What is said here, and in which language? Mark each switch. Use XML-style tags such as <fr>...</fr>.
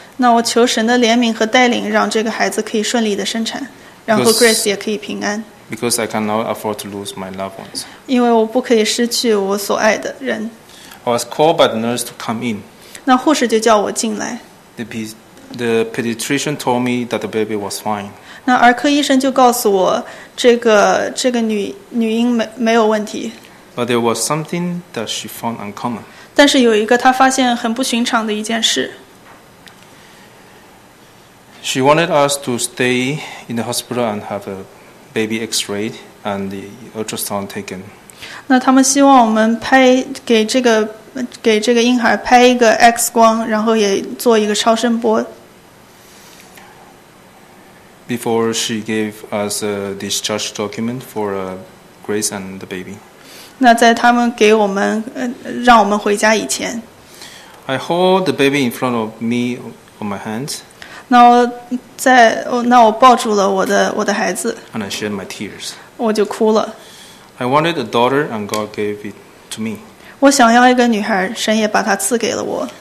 <zh>那我求神的怜悯和带领，让这个孩子可以顺利的生产，然后 Grace 也可以平安。</zh> <en>Because I cannot afford to lose my loved ones.</en> <zh>因为我不可以失去我所爱的人。</zh> <en>I was called by the nurse to come in.</en> <zh>那护士就叫我进来。</zh> <en>The pediatrician told me that the baby was fine.</en> <zh>那儿科医生就告诉我这个女婴没有问题。</zh> <en>But there was something that she found uncommon.</en> <zh>但是有一个她发现很不寻常的一件事。</zh> <en>She wanted us to stay in the hospital and have a baby x-ray and the ultrasound taken.</en> <zh>那他们希望我们给这个婴孩拍一个 X 光，然后也做一个超声波。</zh> <en>Before she gave us a discharge document for Grace and the baby.</en> <zh>那在他们给我们让我们回家以前。</zh> <en>I hold the baby in front of me on my hands.</en> <zh>那我抱住了我的孩子。</zh> <en>And I shed my tears.</en> <zh>我就哭了。</zh> <en>I wanted a daughter and God gave it to me.</en> <zh>我想要一个女孩，神也把她赐给了我。</zh>